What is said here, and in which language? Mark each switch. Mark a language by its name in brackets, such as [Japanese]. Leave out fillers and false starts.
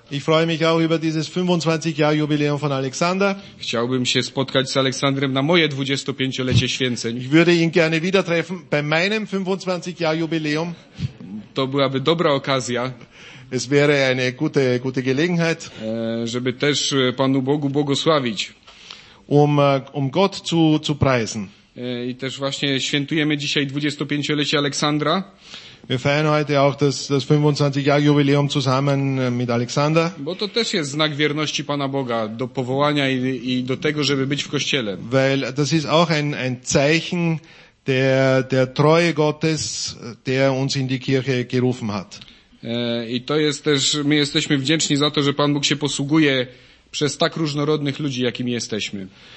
[German] Ich freue mich auch über dieses 25-jährige Jubiläum von Alexander. [Polish] Chciałbym się spotkać z Aleksandrem na moje 25-lecie święceń. [German] Ich würde ihn gerne wieder treffen bei meinem 25-jährigen Jubiläum. [Polish] To byłaby dobra okazja. [German] Es wäre eine gute Gelegenheit, [Polish] żeby też Panu Bogu błogosławić. [German] Um Gott zu preisen. [Polish] I też właśnie świętujemy dzisiaj 25-lecie Aleksandra. [German] Wir feiern heute auch das 25-jährige Jubiläum zusammen mit Alexander. [Polish] Bo to też jest znak wierności Pana Boga do powołania i do tego, żeby być w kościele. [German] Weil das ist auch ein Zeichen der Treue Gottes, der uns in die Kirche gerufen hat. [Polish] I to jest też, my jesteśmy wdzięczni za to, że Pan Bóg się posługuje przez tak różnorodnych ludzi, jakimi jesteśmy.